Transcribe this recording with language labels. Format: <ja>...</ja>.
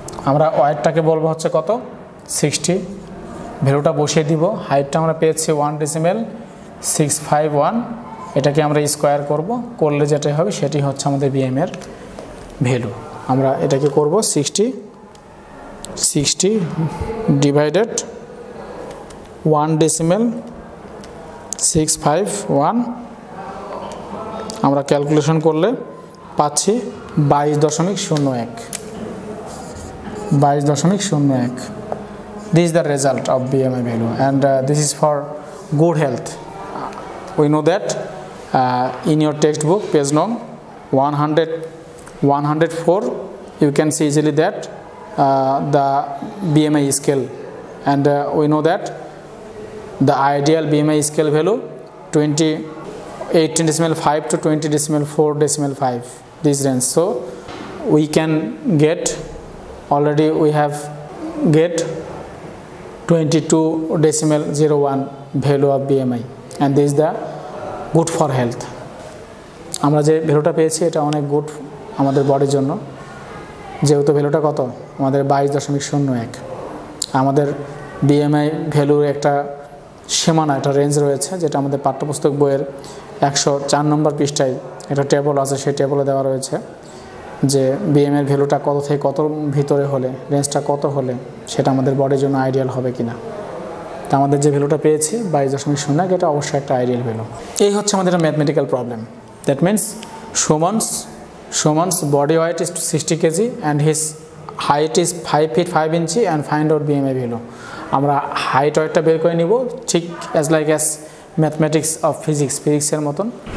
<bn>আমরা ওয়েটটাকে বলবো হচ্ছে কত, 60, ভ্যালুটা বসিয়ে দিব, হাইটটা আমরা পেয়েছি 1.651, এটাকে আমরা স্কোয়ার করব, করলে যেটাই হবে সেটি হচ্ছে আমাদের বিএমআইয়ের ভ্যালু, আমরা এটাকে করব 60 ডিভাইডেড 1.651, আমরা ক্যালকুলেশন করলে পাচ্ছে</bn> <en>22.01 22.01 This is the result of BMI value and this is for good health. We know that in your textbook page number 104 you can see easily that the BMI scale and we know that the ideal BMI scale value 18.5 to 20.4.5 this range. So we can get already we have get 22.01 value of BMI and this is the good for health.</en> <bn>আমরা যে ভ্যালুটা পেয়েছি এটা অনেক good আমাদের বডির জন্য যেহেতু ভ্যালুটা কত আমাদের 22.01 আমাদের বিএমআই ভ্যালুর একটা সীমানা একটা রেঞ্জ রয়েছে যেটা আমাদের পাঠ্যপুস্তক বইয়ের 104 নম্বর পৃষ্ঠায় একটা টেবল আছে সেই টেবলে দেওয়া রয়েছে যে বিএমআই ভ্যালুটা কত থেকে কত ভিতরে হলে রেঞ্জটা কত হলে সেটা আমাদের বডির জন্য আইডিয়াল হবে কিনা তো আমাদের যে ভ্যালুটা পেয়েছি 22.01 এটা অবশ্যই একটা আইডিয়াল ভ্যালু এই হচ্ছে আমাদের mathematical problem</bn> <en>That means Shuman's body weight is 60 kg and his height is 5 feet 5 inches and find out BMI value.</en> <bn>Amra height weight ta ber kore nibo thik</bn> <en>as like as mathematics of physics</en> <bn>physics er moton.</bn>